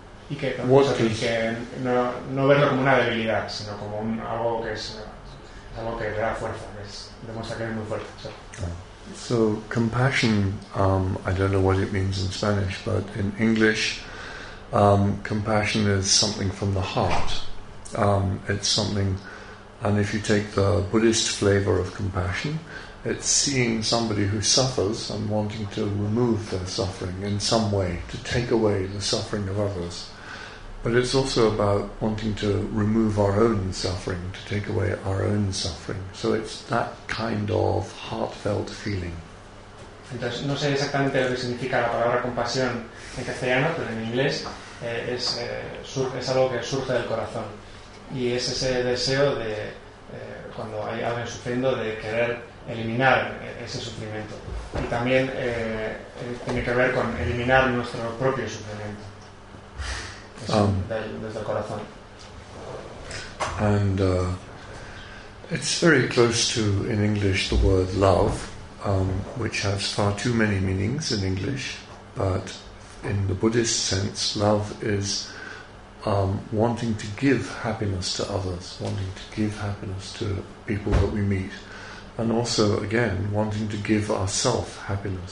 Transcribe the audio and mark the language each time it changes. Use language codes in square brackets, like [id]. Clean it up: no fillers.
[es] Y que, entonces, que no verlo como una debilidad, sino como algo que es es algo que te da fuerza, es, demuestra que eres muy fuerte. [en] So, so compassion, I don't know what it means in Spanish, but in English, compassion is something from the heart. It's something, and if you take the Buddhist flavor of compassion, it's seeing somebody who suffers and wanting to remove their suffering in some way, to take away the suffering of others. But it's also about wanting to remove our own suffering, to take away our own suffering. So it's that kind of heartfelt feeling. [es] Entonces, no sé exactamente lo que significa la palabra compasión en castellano, pero en inglés es algo que surge del corazón. Y es ese deseo de, cuando hay alguien sufriendo, de querer eliminar ese sufrimiento. Y también tiene que ver con eliminar nuestro propio sufrimiento. Desde el corazón. [en] And it's very close to, in English, the word love. Which has far too many meanings in English, but in the Buddhist sense, love is wanting to give happiness to others, wanting to give happiness to people that we meet, and also, again, wanting to give ourself happiness.